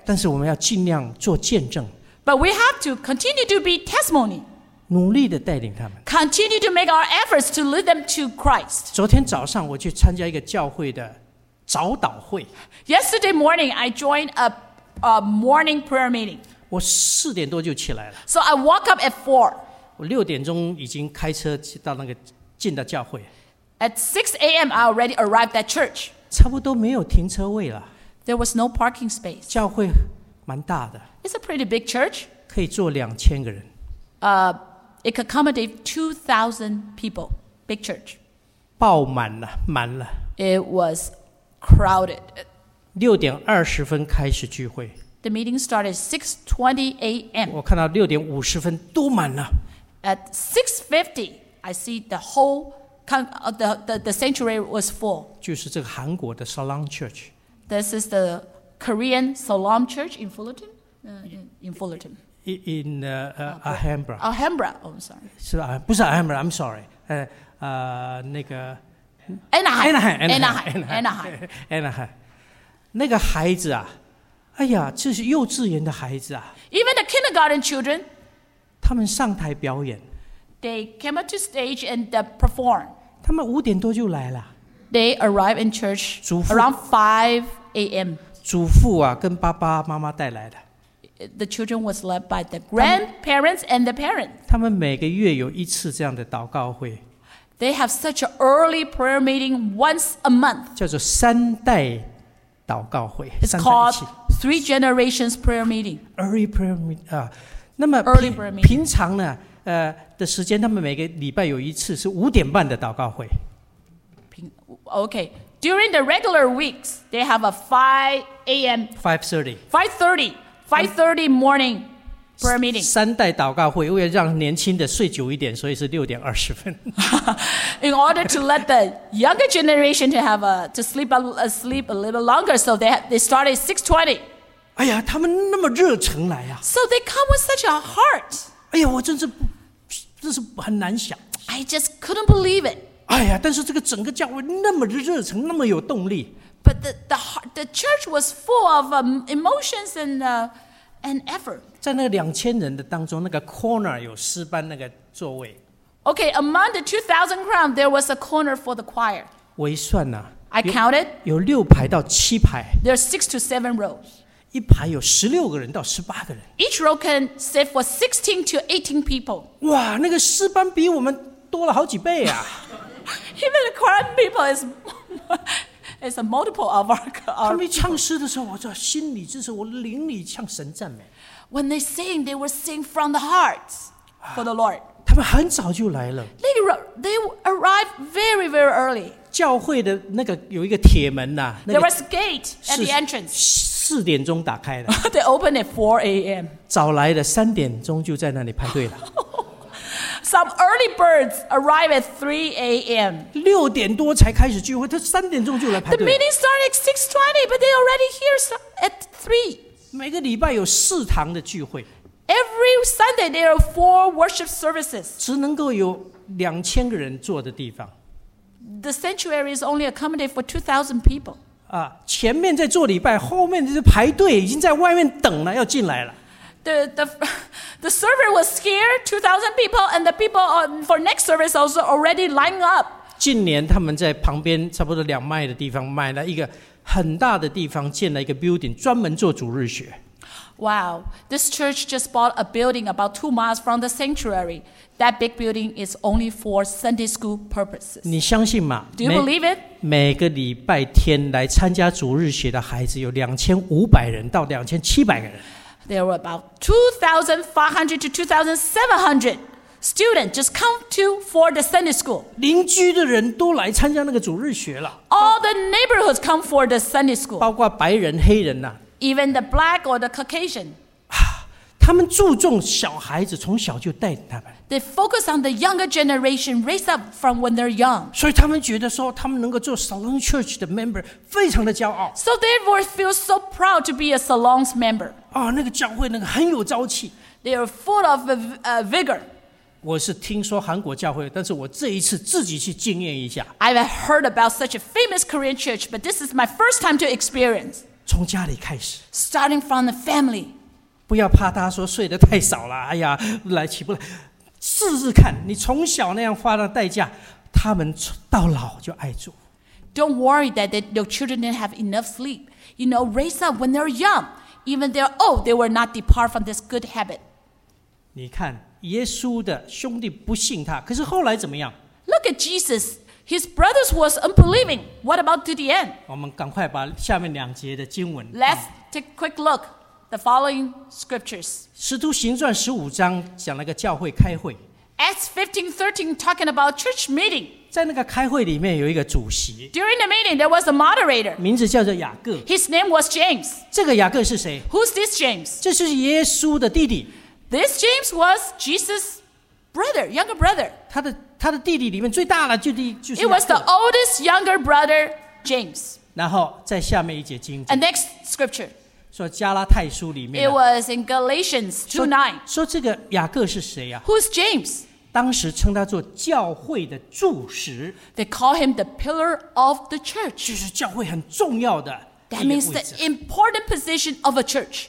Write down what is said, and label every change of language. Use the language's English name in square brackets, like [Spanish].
[Chinese] 但是我们要尽量做见证。 [English] But we have to continue to be testimony. [Chinese] 努力地带领他们。 [English] Continue to make our efforts to lead them to Christ. [Chinese] 昨天早上我去参加一个教会的早祷会。 [English] Yesterday morning, I joined a morning prayer meeting. [Chinese] 我四点多就起来了。 [English] So I woke up at 4. [Chinese] 我六点钟已经开车到那个进的教会。 [English] At 6 a.m., I already arrived at church. [Chinese] 差不多没有停车位了。 [English] There was no parking space. [Chinese] 教会蛮大的。 [English] It's a pretty big church. [Chinese] 可以坐2000个人。 [English] It could accommodate 2,000 people. Big church. [Chinese] 爆满了，满了。 [English] It was crowded. [Chinese] 六点二十分开始聚会。 [English] The meeting started 6:20 a.m. [Chinese] 我看到六点五十分都满了。 [English] At 6:50, I see the whole the sanctuary was full. [Chinese] 就是这个韩国的 Siloam Church. [English] This is the Korean Siloam Church in Fullerton. In Fullerton. In Alhambra. Alhambra. Oh, sorry. [Chinese] 是吧？不是 Alhambra. [English] I'm sorry. [Chinese] 那个 [English] Anaheim. [Chinese] 那个孩子啊。哎呀，这是幼稚园的孩子啊 [English] ！Even the kindergarten children， [Chinese] 他们上台表演。 [English] They came up to stage and perform. [Chinese] 他们五点多就来了。 [English] They arrive in church around 5 a.m. [Chinese] 祖父啊，跟爸爸妈妈带来的。 [English] The children was led by the grandparents and the parents. [Chinese] 他们每个月有一次这样的祷告会。 [English] They have such an early prayer meeting once a month. [Chinese] 叫做三代祷告会。 [English] It's called Three generations prayer meeting. Early prayer meeting. [Chinese] 那么 [English] early prayer meeting. [Chinese] 平常呢，的时间，他们每个礼拜有一次是五点半的祷告会。 [English] Okay. During the regular weeks, they have a 5 a.m. 5:30 morning prayer meeting. [Chinese] 三代祷告会，为了让年轻的睡久一点，所以是六点二十分。 [English] In order to let the younger generation to have a sleep a little longer, so they started 6:20. [Chinese] 哎呀，他们那么热诚来啊 [English] ！So they come with such a heart. [Chinese] 哎呀，我真是很难想。 [English] I just couldn't believe it. [Chinese] 哎呀，但是这个整个教会那么热诚，那么有动力。 [English] But the church was full of emotions and effort. [Chinese] 在那个两千人的当中，那个 corner 有诗班那个座位。 [English] Okay, among the 2,000 crowd, there was a corner for the choir. [Chinese] 我一算呢 [English] ，I counted [Chinese] 有六排到七排。 [English] There are 6 to 7 rows. [Chinese] 一排有16个人到18个人。 [English] Each row can sit for 16 to 18 people. [Chinese] 哇，那个诗班比我们多了好几倍啊 [English] ！Even the choir people is it's a multiple of our. [Chinese] 他们唱诗的时候，我在心里就是我灵里唱神赞美。 [English] When they sing, they were singing from the heart for the Lord. [Chinese] 他们很早就来了。 [English] They arrived very, very early. [Chinese] 教会的那个有一个铁门呐、啊。 [English] There was a gate at the entrance. [Chinese] 四点钟打开的。 [English] They opened at 4 a.m. [Chinese] 早来的三点钟就在那里排队了。 [English] Some early birds arrive at 3 a.m. [Chinese] 六点多才开始聚会，他三点钟就来排队。 [English] The meeting started at 6:20, but they already here at 3. [Chinese] 每个礼拜有四堂的聚会。 [English] Every Sunday there are 4 worship services. [Chinese] 只能够有2000个人坐的地方。 [English] The sanctuary is only accommodated for 2,000 people. [Chinese] 啊，前面在做礼拜，后面就是排队，已经在外面等了，要进来了。 [English] The server was here, 2,000 people, and the people for next service also already lined up. [Chinese] 近年他们在旁边差不多两迈的地方买了一个很大的地方，建了一个 building， 专门做主日学。 [English] Wow, this church just bought a building about 2 miles from the sanctuary. That big building is only for Sunday school purposes. [Chinese] 你相信吗？ [English] Do you believe it? [Chinese] 每个礼拜天来参加主日学的孩子有2500人到2700个人。 [English] There were about 2,500 to 2,700 students just come to for the Sunday school. [Chinese] 邻居的人都来参加那个主日学了。 [English] All the neighborhoods come for the Sunday school. [Chinese] 包括白人、黑人呐。 [English] Even the black or the Caucasian. [Chinese] 他们注重小孩子，从小就带他们。 [English] They focus on the younger generation, raise up from when they're young. [Chinese] 所以他们觉得说，他们能够做 Siloam Church 的 member， 非常的骄傲。 [English] So they feel so proud to be a Siloam's member. [Chinese] 啊，那个教会那个很有朝气。 [English] They are full of vigor. [Chinese] 我是听说韩国教会，但是我这一次自己去经验一下。 [English] I've heard about such a famous Korean church, but this is my first time to experience. [Chinese] 从家里开始 [English] ，starting from the family， [Chinese] 不要怕他说睡得太少了，哎呀，来起不来，试试看，你从小那样花的代价，他们到老就爱主。 [English] Don't worry that your children didn't have enough sleep. You know, raise up when they're young. Even they're old, they will not depart from this good habit. [Chinese] 你看，耶稣的兄弟不信他，可是后来怎么样？ [English] Look at Jesus. His brothers was unbelieving. What about to the end? [Chinese] 我们赶快把下面两节的经文。 [English] Let's take a quick look the following scriptures. [Chinese] 使徒行传十五章讲了个教会开会。 [English] Acts 15:13 talking about church meeting. [Chinese] 在那个开会里面有一个主席。 [English] During the meeting, there was a moderator. [Chinese] 名字叫做雅各。 [English] His name was James. [Chinese] 这个雅各是谁？ [English] Who's this James? [Chinese] 这是耶稣的弟弟。 [English] This James was Jesus' brother, younger brother. [Chinese] 他的弟弟里面最大的就是雅各。 [English] It was the oldest younger brother, James. [Chinese] 然后在下面一节经节。 [English] And next scripture. [Chinese] 说加拉太书里面。 [English] It was in Galatians 2:9. [Chinese] 说这个雅各是谁啊？ [English] Who's James? [Chinese] 当时称他做教会的柱石。 [English] They call him the pillar of the church. [Chinese] 就是教会很重要的。 [English] That means the important position of a church.